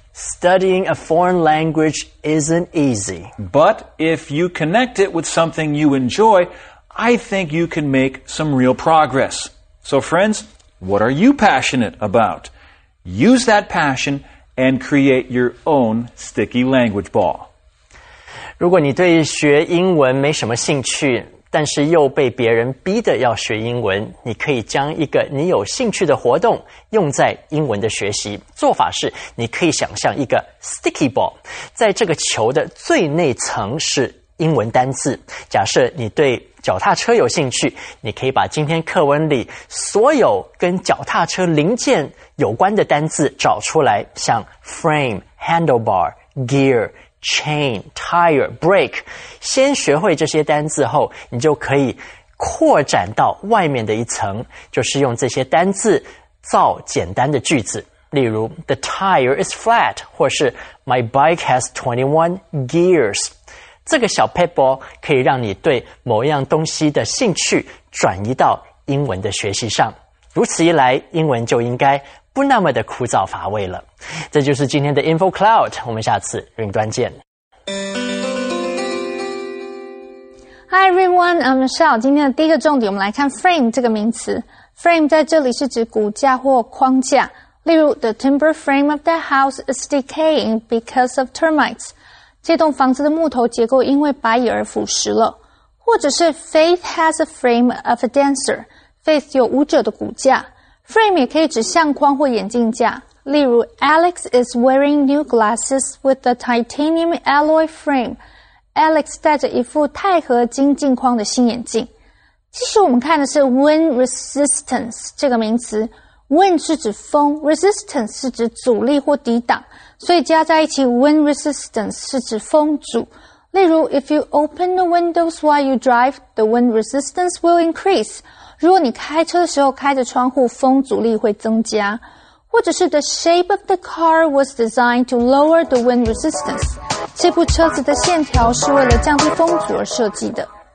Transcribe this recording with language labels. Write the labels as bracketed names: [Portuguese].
[English] Studying a foreign language isn't easy. But if you connect it with something you enjoy, I think you can make some real progress. So friends, what are you passionate about? Use that passion and create your own sticky language ball. [Chinese] 如果你对学英文没什么兴趣，但是又被别人逼得要学英文，你可以将一个你有兴趣的活动用在英文的学习。做法是，你可以想象一个 sticky ball， 在这个球的最内层是英文单字。假设你对脚踏车有兴趣，你可以把今天课文里所有跟脚踏车零件有关的单字找出来，像 frame、handlebar、gear、chain、tire、brake。先学会这些单字后，你就可以扩展到外面的一层，就是用这些单字造简单的句子。例如 [English] ,the tire is flat, [Chinese] 或是 [English] my bike has 21 gears。 [Chinese] 这个小 pebble 可以让你对某样东西的兴趣转移到英文的学习上。如此一来，英文就应该不那么的枯燥乏味了。这就是今天的 Info Cloud， 我们下次云端见。 [English] Hi everyone, I'm Michelle. [Chinese] 今天的第一个重点，我们来看 frame 这个名词。 Frame 在这里是指骨架或框架。例如 [English] ,the timber frame of that house is decaying because of termites. [Chinese] 这栋房子的木头结构因为白蚁而腐蚀了。或者是 [English] Faith has a frame of a dancer. Faith [Chinese] 有舞者的骨架。 Frame 也可以指相框或眼镜架。例如 [English] Alex is wearing new glasses with a titanium alloy frame. [Chinese] Alex 戴着一副钛合金镜框的新眼镜。其实我们看的是 wind resistance 这个名词。 Wind 是指风， resistance 是指阻力或抵挡。所以加在一起 wind resistance 是指风阻。例如 [English] ,if you open the windows while you drive, the wind resistance will increase. [Chinese] 如果你开车的时候开着窗户，风阻力会增加。或者是 [English] the shape of the car was designed to lower the wind resistance. [Chinese] 这部车子的线条是为了降低风阻而设计的。